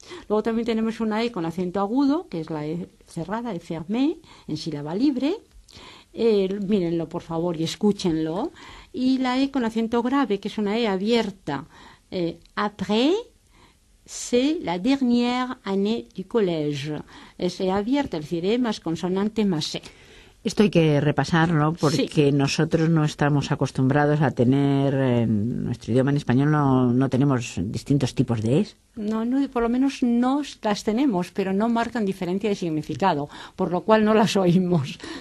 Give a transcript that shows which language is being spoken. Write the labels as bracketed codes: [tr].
[es] Luego también tenemos una E con acento agudo, que es la E cerrada, E fermée, en sílaba libre. Mírenlo, por favor, y escúchenlo. Y la E con acento grave, que es una E abierta, après. [fr] C'est la dernière année du collège. [es] Es E abierta, es decir, E más consonante más E. Esto hay que repasarlo porque sí. Nosotros no estamos acostumbrados a tener, en nuestro idioma en español no tenemos distintos tipos de E's. No, por lo menos no las tenemos, pero no marcan diferencia de significado, por lo cual no las oímos.